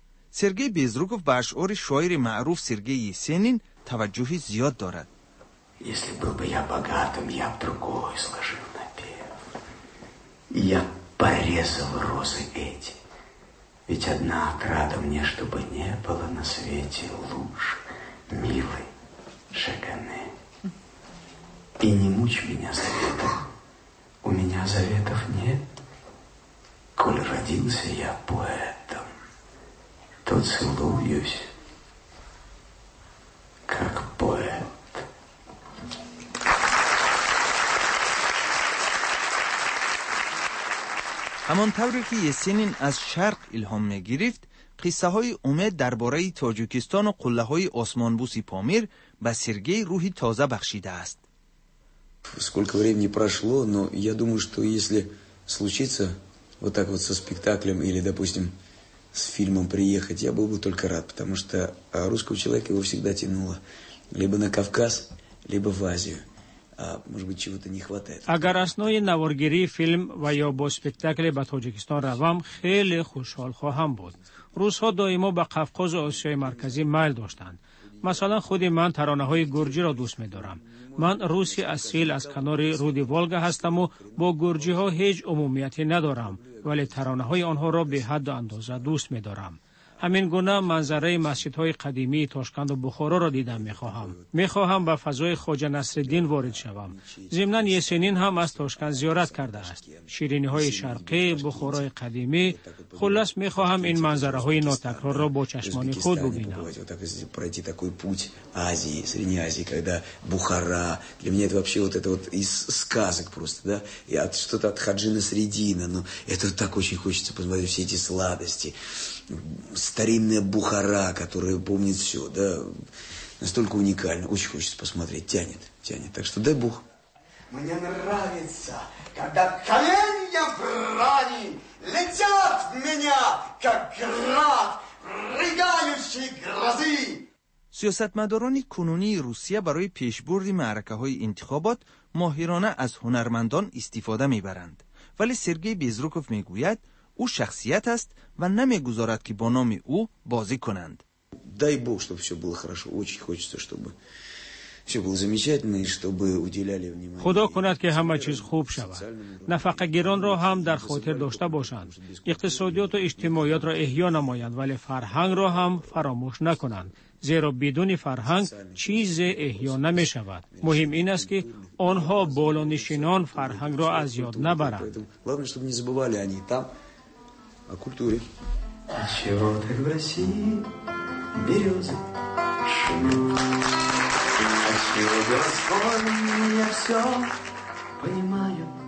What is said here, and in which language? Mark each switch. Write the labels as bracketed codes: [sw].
[fa] سرگی بیزروکوف به اشعار شاعر معروف سرگی یسینین توجه زیاد دارد. [ru] Если был бы я богатым, я бы другой сложил напев. Я порезал розы эти, ведь одна отрада мне, чтобы не было на свете луж, милый Шагане. И не мучь меня заветом, у меня заветов нет. Коль родился я поэтом, то целуюсь, как поэт. [fa] همان طوری که یسینین از شرق الهام می گرفت، قصه های امید درباره تاجیکستان و قله های آسمانبوسی پامیر به سرگی روحی تازه بخشیده است. [ru] Сколько времени прошло, но я думаю, что если случится вот так вот со спектаклем или, допустим, с фильмом приехать, я был бы только рад, потому что русского человека его всегда тянуло либо на Кавказ, либо в Азию. может быть, чего-то не хватает. [tg] Агар основе наворгири фильм ва ё бо спектакле ба Тоҷикистон равам, хеле хушҳол хоҳам буд. Рӯсҳо доимо ба Кавказу Осиёи Марказӣ майл доштанд. Масалан, худи ман таронаҳои гурҷиро дӯст медорам. Ман руси асил аз канори руди Волга ҳастаму бо гурҷиҳо ҳеҷ умумияте надорам, вале таронаҳои онҳоро бе ҳадду андоза дӯст медорам. ҳамин гуна манзараи масҷидҳои қадимии Тошканду Бухороро дидан мехоҳам. Мехоҳам ба фазои Хоҷа Насриддин ворид шавам. Зимнан Есенин ҳам аз Тошканд зиёрат кардааст. Шириниҳои шарқӣ, Бухорои қадимӣ, хулас мехоҳам ин манзараҳои нотакрорро бо чашмони худ бубинам. [ru] Пройти такой путь Азии, Средней Азии, когда Бухара, для меня это вообще вот это вот из сказок просто, да? И от что-то от Хаджи Насриддина, но это так очень хочется посмотреть все эти сладости. Старинная Бухара, которая помнит все, да, настолько уникально, очень хочется посмотреть, тянет, тянет, так что дай Бог. Мне нравится, когда коленья в рани летят в меня, как град прыгающей грозы. [tg] Сиёсатмадорони кунунии Русия барои пешбурди маъракаҳои интихобот моҳирона аз ҳунармандон истифода мебаранд. Вале Сергей Безруков мегӯяд, [fa] او شخصیت است و نمیگذارد که با نام او بازی کنند. [ru] Дай бог, чтобы всё было хорошо. Очень хочется, чтобы всё было замечательно и чтобы уделяли внимание. [fa] خدا کند که همه چیز خوب شود. نفقه‌گیران را هم در خاطر داشته باشند. اقتصادیات و اجتماعیات را احیا نمایند ولی فرهنگ را هم فراموش نکنند. زیرا بدون فرهنگ چیز احیا نمی شود. مهم این است که آنها بالانشینان فرهنگ را از یاد نبرند. [ru] Главное, чтобы не забывали они там. О культуре. А чего так в России березы шумят? А чего Господь, я все понимаю.